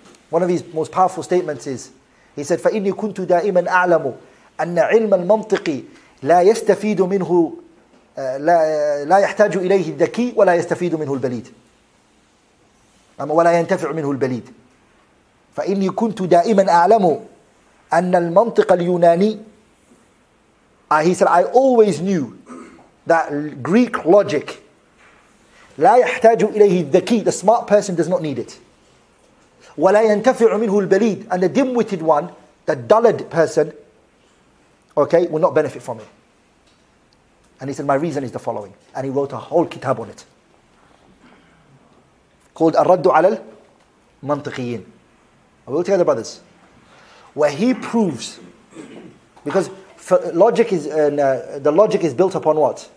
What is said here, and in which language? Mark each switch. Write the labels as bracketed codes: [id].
[ar] One of his most powerful statements is, he said, فَإِنِّي كُنْتُ دَائِمًا أَعْلَمُ أَنَّ عِلْمَ الْمَنْطِقِ لَا يَسْتَفِيدُ مِنْهُ لَا يَحْتَاجُ إِلَيْهِ الذَّكِي وَلَا يَسْتَفِيدُ مِنْهُ الْبَلِيدِ وَلَا يَنْتَفِعُ مِنْهُ الْبَلِيدِ فَإِنِّي كُنْتُ دَائِمًا أَعْلَمُ أَنَّ الْمَنْطِقَ الْيُونَانِي [en] He said, I always knew that Greek logic [ar] لَا يَحْتَاجُ إِلَيْهِ الذَّكِي [en] The smart person does not need it. [ar] وَلَا يَنْتَفِعُ مِنْهُ الْبَلِيدِ [en] And the dim-witted one, the dullard person, okay, will not benefit from it. And he said, my reason is the following. And he wrote a whole kitab on it. Called الرد على المنطقيين. Are we all together, brothers? Where he proves, because logic is the logic is built upon what?